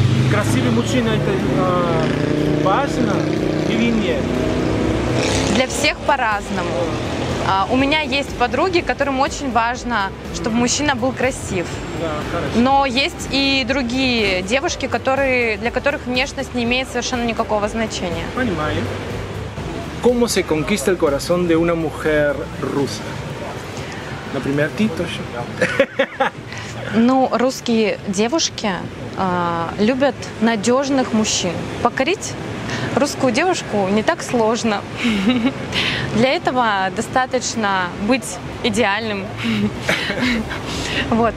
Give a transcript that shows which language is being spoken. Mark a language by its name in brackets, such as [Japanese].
[Russian] Красивый мужчина – это важно или нет? Для всех по-разному. У меня есть подруги, которым очень важно, чтобы мужчина был красив. Да, но есть и другие девушки, которые, для которых внешность не имеет совершенно никакого значения. Понимаю. [Spanish] ¿Cómo se conquista el corazón de una mujer rusa? [Russian] На пример, Тито. Ну, русские девушки любят надежных мужчин. Покорить русскую девушку не так сложно. Для этого достаточно быть идеальным. Вот.